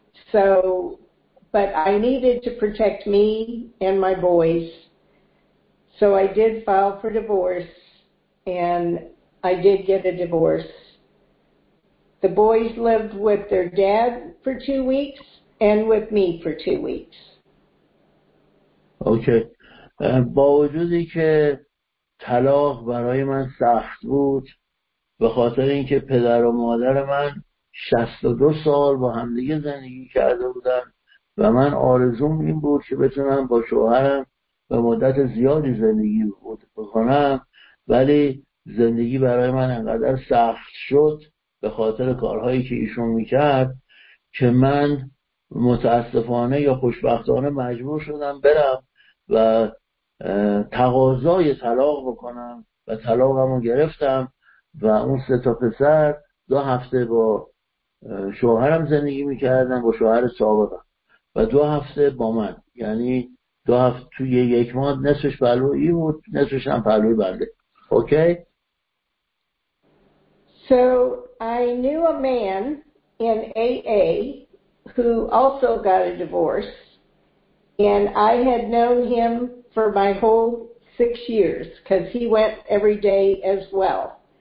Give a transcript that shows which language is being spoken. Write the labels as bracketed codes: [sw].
[en] So, but I needed to protect me and my boys, so I did file for divorce, and I did get a divorce. The boys lived with their dad for 2 weeks, and with me for 2 weeks. Okay. [fa] با وجودی که طلاق برای من سخت بود، به خاطر اینکه پدر و مادر من 62 سال با همدیگه زندگی کرده بودن و من آرزوم این بود که بتونم با شوهرم به مدت زیادی زندگی بکنم، ولی زندگی برای من انقدر سخت شد به خاطر کارهایی که ایشون میکرد که من متاسفانه یا خوشبختانه مجبور شدم برم و تقاضای طلاق بکنم و طلاقمو گرفتم و اون سه تا پسر 2 هفته با شوهرم زندگی میکردن، با شوهر سابقم، و 2 هفته با من، یعنی 2 هفته توی 1 ماه نصفش پهلوی این بود، نصفش هم پهلوی بنده. [en] Okay? So I knew a man in AA who also got a divorce, and I had known him for my whole 6 years because he went every day as well.